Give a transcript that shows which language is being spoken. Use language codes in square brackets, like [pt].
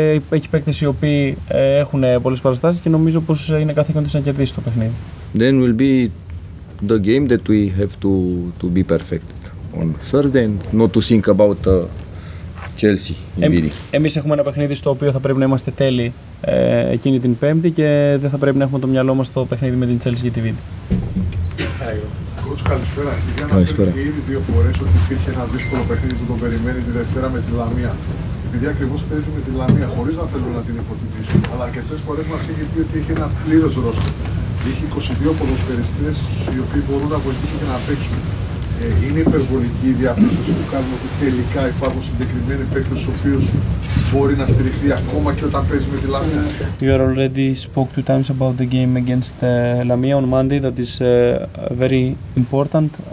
[el] Έχει παίκτες οι οποίοι έχουν πολλές παραστάσεις και νομίζω πως είναι καθήκον της να κερδίσει το παιχνίδι. [en] Then will be the game that we have to be perfect on Thursday and not to think about Chelsea. [el] Εμείς έχουμε ένα παιχνίδι στο οποίο θα πρέπει να είμαστε τέλειοι εκείνη την Πέμπτη και δεν θα πρέπει να έχουμε το μυαλό μας στο παιχνίδι με την Chelsea για τη Βίδη. Κότς, καλησπέρα. Καλησπέρα. Είχαμε ήδη δύο φορές ότι υπήρχε ένα δύσκολο παιχνίδι που τον περιμένει τη Δευτέρα με τη Λαμία. Επειδή ακριβώς παίζει με τη Λαμία, χωρίς να θέλω να την υποτιμήσω, αλλά αρκετές φορές μας είχε πει ότι είχε ένα πλήρες ρόστερ. Είχε 22 ποδοσφαιριστές οι οποίοι μπορούν να βοηθήσουν και να παίξουν. Είναι υπερβολική η διαπίστωση που κάνουμε ότι τελικά υπάρχουν συγκεκριμένοι παίκτες ο οποίος μπορεί να στηριχθεί ακόμα και όταν παίζει με τη Λαμία. [en] You are already spoke two times about the game against Lamia on Monday that is very important.